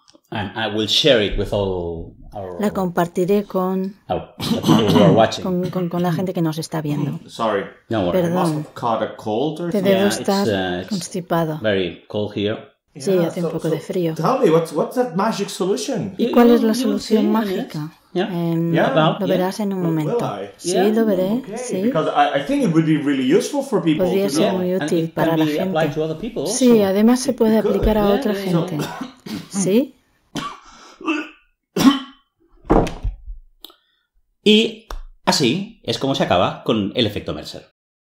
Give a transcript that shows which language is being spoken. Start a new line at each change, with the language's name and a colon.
English: And I will share it with all
Spanish: la compartiré con la gente que nos está viendo.
English: Sorry. No worries.
Spanish: Perdón.
English: I must have caught a cold or
Spanish: te debo estar constipado.
English: Very cold here.
Spanish: Sí, hace un poco de frío.
English: Tell me, what's that magic solution?
Spanish: ¿Y cuál es la solución mágica? Lo verás en un momento. Sí, lo veré. Sí.
English: Because I think it would be really useful for people.
Spanish: Podría ser muy útil para la gente.
English: Apply to other people.
Spanish: Sí, además se puede aplicar a otra gente. Sí. Y así es como se acaba con el efecto Mercer.